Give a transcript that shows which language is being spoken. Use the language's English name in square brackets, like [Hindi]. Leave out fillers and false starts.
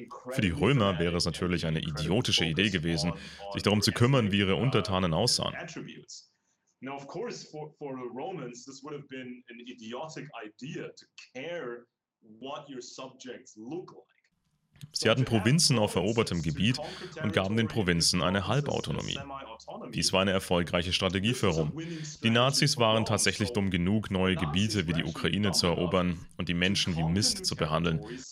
[German] Für die Römer wäre es natürlich eine idiotische Idee gewesen, sich darum zu kümmern, wie ihre Untertanen aussahen. [English] Now, of course, for the Romans, this would have been an idiotic idea to care what your subjects look like. [German] Sie hatten Provinzen auf erobertem Gebiet und gaben den Provinzen eine Halbautonomie. Dies war eine erfolgreiche Strategie für Rom. Die Nazis waren tatsächlich dumm genug, neue Gebiete wie die Ukraine zu erobern und die Menschen wie Mist zu behandeln.